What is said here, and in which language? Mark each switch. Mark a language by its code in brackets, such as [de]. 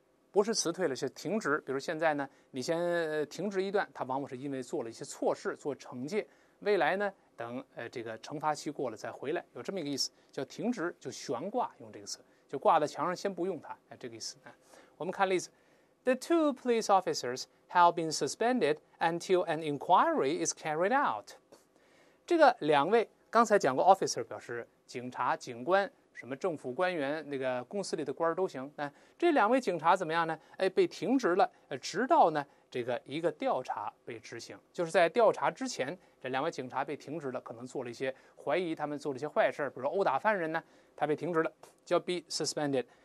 [zh] 不是辞退了，是停职。比如现在呢，你先停职一段，他往往是因为做了一些错事，做惩戒。未来呢，等这个惩罚期过了再回来，有这么一个意思，叫停职，就悬挂，用这个词，就挂在墙上先不用它，这个意思。我们看例子 [en] ，The two police officers have been suspended until an inquiry is carried out。 [zh] 这个两位刚才讲过 ，officer 表示警察、警官。什么政府官员，那个公司里的官都行。那这两位警察怎么样呢？哎，被停职了，直到呢这个一个调查被执行，就是在调查之前，这两位警察被停职了，可能做了一些怀疑他们做了一些坏事，比如殴打犯人呢，他被停职了，叫 be suspended。